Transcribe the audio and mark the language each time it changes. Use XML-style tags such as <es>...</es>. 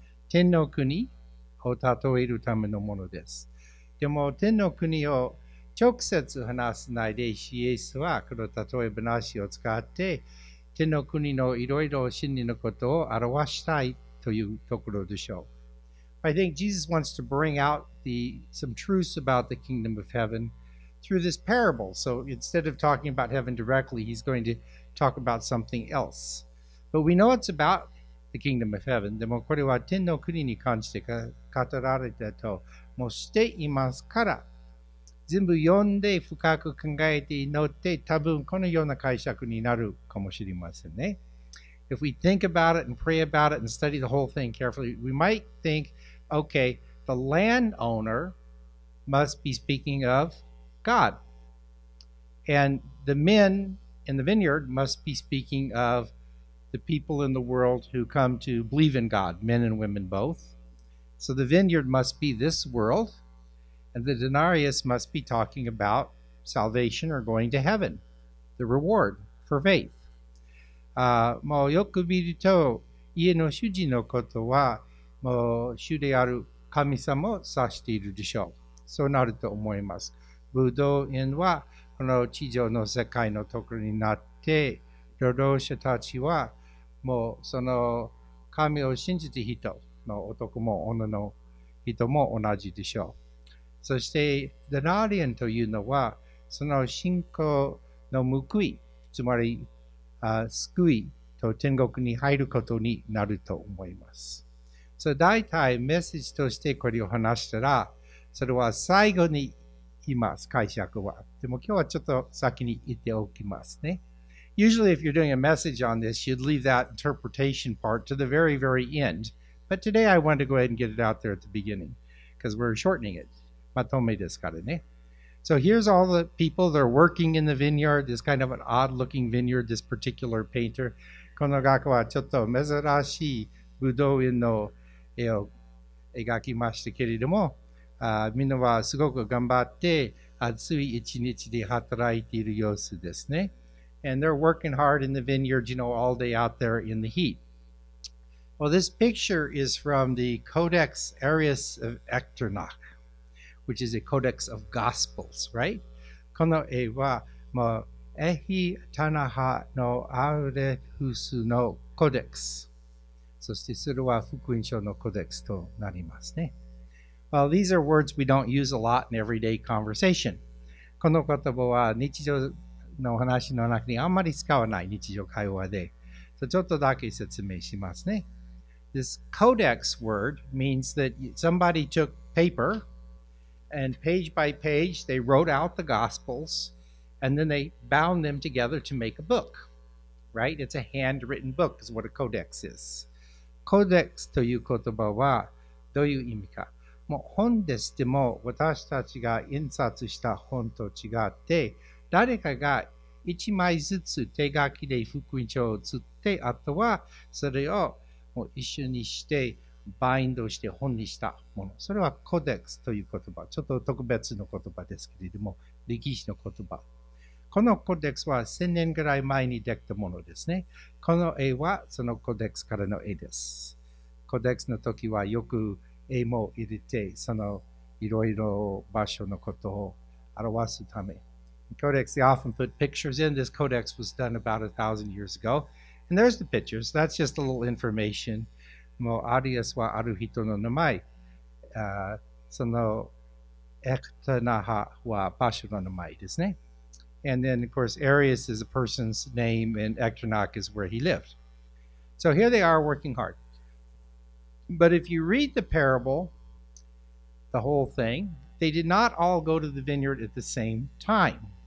<ja>天の国を例えるためのものです。でも天の国を直接話さないで、主イエスはこの例え話を使って、天の国のいろいろ真理のことを表したいというところでしょう。</ja> <en>I think Jesus wants to bring out some truths about the kingdom of heaven through this parable. So instead of talking about heaven directly, he's going to talk about something else. But we know it's about the kingdom of heaven.</en> <ja>でもこれは天の国に関して語られたと、もうしていますから、全部読んで深く考えて祈って、多分このような解釈になるかもしれませんね。</ja> <en>If we think about it and pray about it and study the whole thing carefully, we might think, okay, the landowner must be speaking of God. And the men in the vineyard must be speaking of the people in the world who come to believe in God, men and women both. So the vineyard must be this world, and the denarius must be talking about salvation or going to heaven, the reward for faith.</en> <ja>もうよく見ると家の主人のことはもう主である神様を指しているでしょう。そうなると思います。ブドウ園はこの地上の世界のところになって、労働者たちはもうその神を信じた人の男も女の人も同じでしょう。そしてデナリアンというのはその信仰の報い、つまり救いと天国に入ることになると思います。 So, 大体メッセージとしてこれを話したら、それは最後に言います、解釈は。でも今日はちょっと先に言っておきますね。</ja> <en>Usually, if you're doing a message on this, you'd leave that interpretation part to the very, very end. But today, I want to go ahead and get it out there at the beginning, because we're shortening it.</en> <ja>まとめですからね。</ja> <en>So here's all the people that are working in the vineyard, this kind of an odd-looking vineyard, this particular painter.</en> <ja>この画家はちょっと珍しいブドウ園の絵を描きましたけれども、みんなはすごく頑張って暑い一日で働いている様子ですね。</ja> <en>And they're working hard in the vineyards, you know, all day out there in the heat. Well, this picture is from the Codex Arius of Echternach, which is a codex of Gospels, right?</en> <ja>この絵は、まあ、エヒタナハのアレフスのコデックス。そしてそれは福音書のコデックスとなりますね。</ja> <en>Well, these are words we don't use a lot in everyday conversation.</en> <ja>この言葉は日常の話の中にあんまり使わない日常会話で。 So、ちょっとだけ説明しますね。</ja> <en>This codex word means that somebody took paper and page by page they wrote out the gospels and then they bound them together to make a book. Right? It's a handwritten book is what a codex is.</en> <ja>Codex という言葉はどういう意味か。もう本ですでも私たちが印刷した本と違って誰かが一枚ずつ手書きで福音書を写ってあとはそれをもう一緒にしてバインドして本にしたもの。それはコデックスという言葉。ちょっと特別の言葉ですけれども歴史の言葉。このコデックスは1000年ぐらい前にできたものですね。この絵はそのコデックスからの絵です。コデックスの時はよく絵も入れてそのいろいろ場所のことを表すため。</ja> <en>コデックス、they often put pictures in. This codex was done about 1,000 years ago. And there's the pictures. That's just a little information.</en> <ja>もうアリアスはある人の名前、そのエクタナハは場所の名前ですね。</ja> <en>And then, of course, Arius is a person's name, and Echternach is where he lived. So here they are working hard. But if you read the parable, the whole thing, they did not all go to the vineyard at the same time.</en>